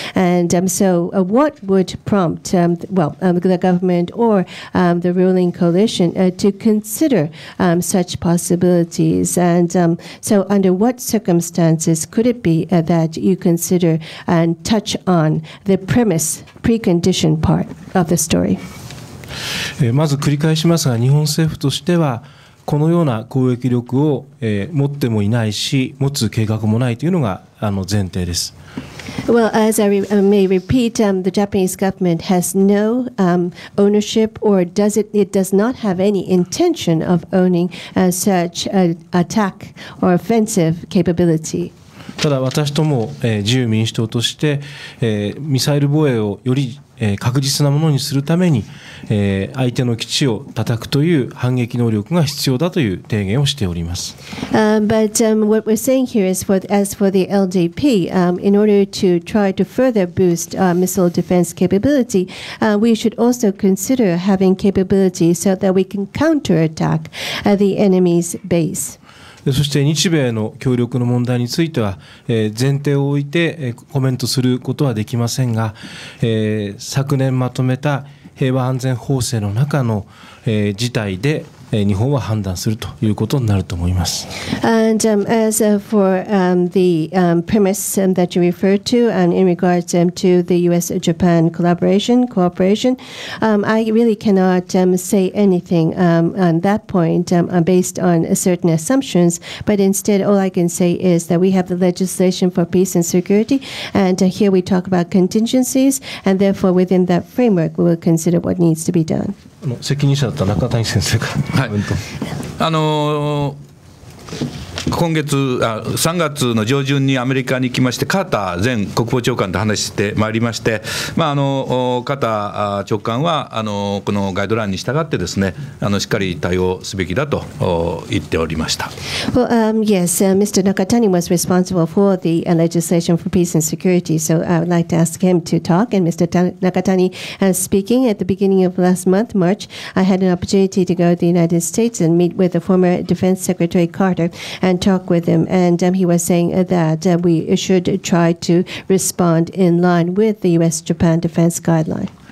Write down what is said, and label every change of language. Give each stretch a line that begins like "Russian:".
English: And so what would prompt the government or the ruling coalition to consider such possibilities? And so under what circumstances could it be that you consider and touch on the premise precondition part of the story?
Japanese: まず繰り返しますが、日本政府としてはこのような攻撃力を持ってもいないし持つ計画もないというのが前提です。
English: Well, as I may repeat, the Japanese government has no ownership or does not have any intention of owning such attack or offensive capability.
Japanese: ただ私ども、自由民主党として、ミサイル防衛をより、確実なものにするために、相手の基地を叩くという反撃能力が必要だという提言をしております。
English: But what we're saying here is for the LDP, in order to try to further boost missile defense capability, we should also consider having capability so that we can counterattack the enemy's base.
Japanese: そして日米の協力の問題については前提を置いてコメントすることはできませんが、昨年まとめた平和安全法制の中の事態で日本は判断するということになると思います。
English: And as for the premise that you refer to, and in regards to the U.S.-Japan collaboration cooperation, I really cannot say anything on that point based on certain assumptions. But instead, all I can say is that we have the legislation for peace and security, and here we talk about contingencies, and therefore within that framework, we will consider what needs to be done.
Japanese: 責任者だった中谷先生から、はい、今月3月の上旬にアメリカに行きましてカーター前国防長官と話してまいりまして、カーター長官はこのガイドラインに従ってですねしっかり対応すべきだと言っておりました。
English: Well, yes, Mr. Nakatani was responsible for the legislation for peace and security, so I would like to ask him to talk. And Mr. Nakatani speaking at the beginning of last month, March, I had an opportunity to go to the United States and meet with the former Defense Secretary Carter. And talk with him, and he was saying that we should try to respond in line with the U.S.-Japan defense guideline.